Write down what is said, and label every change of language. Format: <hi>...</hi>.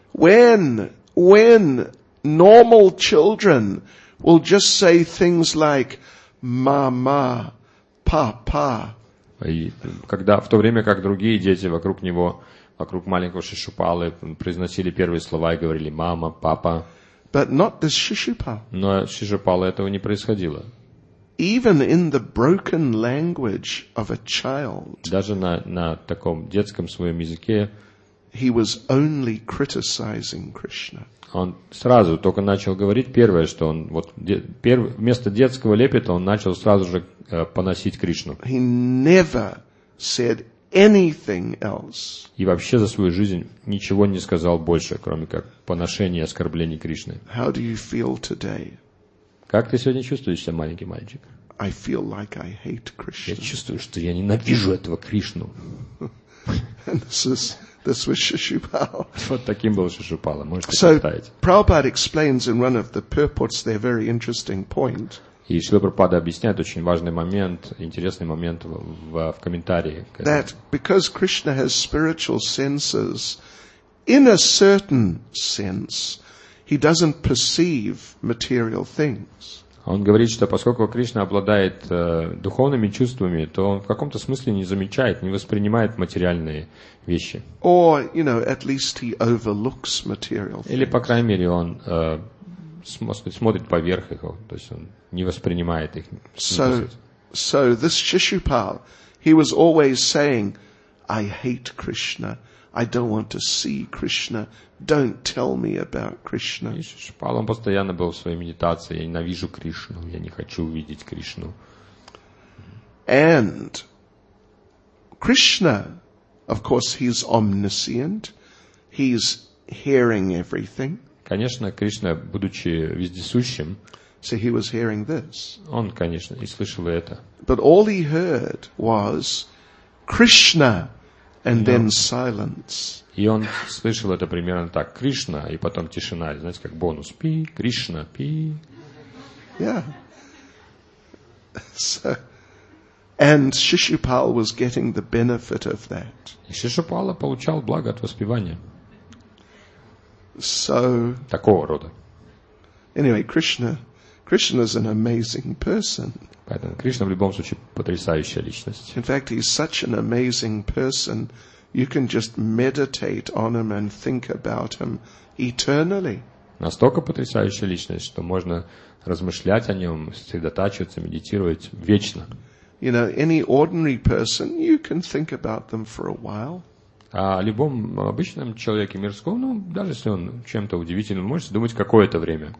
<en>When normal children will just say things like</en> <ru>мама, папа. И когда в то время, как другие дети вокруг него, вокруг маленького Шишупалы произносили первые слова и говорили мама, папа.</ru> <en>But not this Шишупал.</en> <ru>Но Шишупала этого не происходило.</ru> <en>Even in the broken language of a child,</en> <ru>даже на таком детском своем языке,</ru> <en>he was only criticizing Krishna.</en> <ru>Он сразу только начал говорить первое, что он вместо детского лепета он начал сразу же поносить Кришну.</ru> <en>He never said anything else.</en> <ru>И вообще за свою жизнь ничего не сказал больше, кроме как поношения и оскорблений Кришны.</ru> <en>How do you feel today?</en> <ru>Как ты сегодня чувствуешь себя, маленький мальчик?</ru> <en>I feel like I hate Krishna.</en> <ru>Я чувствую, что я ненавижу этого Кришну.</ru> <en>This was Shishupal.</en> <ru>Вот таким был Шишупала, можете представить.</ru> <en>So, Prabhupada explains in one of the purports their very interesting point.</en> <ru>И Шрила Прабхупада объясняет очень важный момент, интересный момент в комментарии.</ru> <en>That because Krishna has spiritual senses, in a certain sense, he doesn't perceive material things.</en> <ru>Он говорит, что поскольку Кришна обладает духовными чувствами, то он в каком-то смысле не замечает, не воспринимает материальные вещи.</ru> <en>Or, you know, at least he overlooks material things.</en> <ru>Или, по крайней мере, он смотрит поверх их, то есть он не воспринимает их.</ru> <en>So this Shishupal, He was always saying, I hate Krishna. I don't want to see Krishna. Don't tell me about Krishna.</en> <ru>Шипал, он постоянно был в своей медитации. Я ненавижу Кришну. Я не хочу увидеть Кришну.</ru> <en>And Krishna, of course, he's omniscient. He's hearing everything.</en> <ru>Конечно, Кришна, будучи вездесущим,</ru> <en>so he was hearing this.</en> <ru>Он, конечно, и слышал это.</ru> <en>But all he heard was Krishna. And then silence.</en> <ru>И он слышал это примерно так: Кришна, и потом тишина, знаете, как бонус: пи, Кришна, пи.</ru> <en>Yeah. So, and Shishupal was getting the benefit of that.</en> <ru>И Шишупала получал благо от воспевания.</ru> <en>So.</en> <ru>Такого рода.</ru> <en>Anyway, Krishna is an amazing person.</en> <ru>Поэтому Кришна в любом случае потрясающая личность.</ru> <en>In fact, he's such an amazing person, you can just meditate on him and think about him eternally.</en> <ru>Настолько потрясающая личность, что можно размышлять о нем, сосредотачиваться, медитировать вечно.</ru> <en>You know, any ordinary person, you can think about them for a while.</en> <ru>А о любом обычном человеке мирском, ну, даже если он чем-то удивительным, можете думать какое-то время.</ru>